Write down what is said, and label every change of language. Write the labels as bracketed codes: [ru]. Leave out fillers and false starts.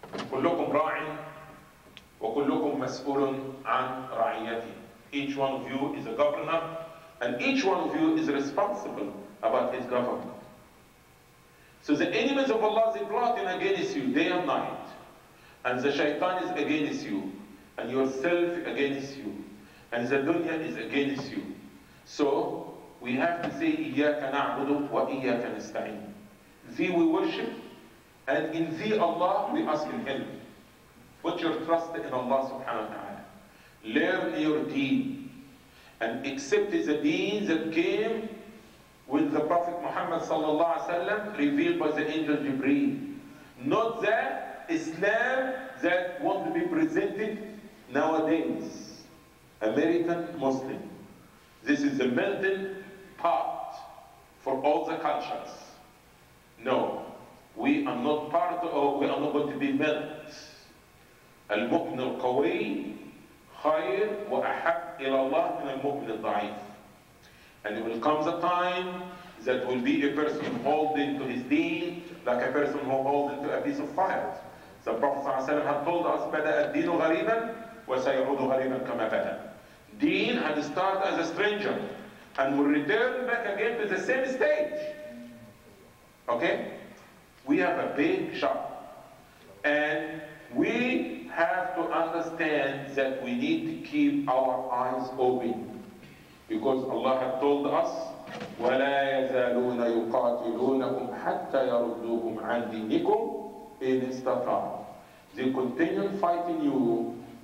[ar] Kullukum ra'in وَكُلُّكُمْ مَسْئُولٌ عَنْ رَعِيَّتِهِ. [en] Each one of you is a governor, and each one of you is responsible about his government. So the enemies of Allah, they plotting against you day and night. And the shaitan is against you, and yourself against you, and the dunya is against you. So we have to say, [ar] إِيَّاكَ نَعْبُدُ وَإِيَّاكَ نَسْتَعِينُ. [en] Thee we worship, and in thee Allah we ask in help. Put your trust in Allah subhanahu wa ta'ala. Learn your deen. And accept the deen that came with the Prophet Muhammad sallallahu alayhi wa sallam, revealed by the angel Jibreel. Not that Islam that won't be presented nowadays. American Muslim. This is the melting pot for all the cultures. No. We are not part of, we are not going to be melt. [ar] المؤمن القوي خير وأحب إلى الله من المؤمن الضعيف. [en] And it will come the time that will be a person holding to his deen like a person who holds to a piece of fire. The Prophet [ar] صلى الله عليه وسلم [en] had told us [ar] بدأ الدين غريبا وسيعود غريبا كما بدأ. [en] Deen had started as a stranger and will return back again to the same stage. Okay? We have a big shop. And we have to understand that we need to keep our eyes open, because Allah had told us, [ar] وَلَا يَزَالُونَ يُقَاتِلُونَكُمْ حَتَّى يَرُدُّوكُمْ عَنْ دِينِكُمْ إِنِ اسْتَطَاعُوا. [en] They continue fighting you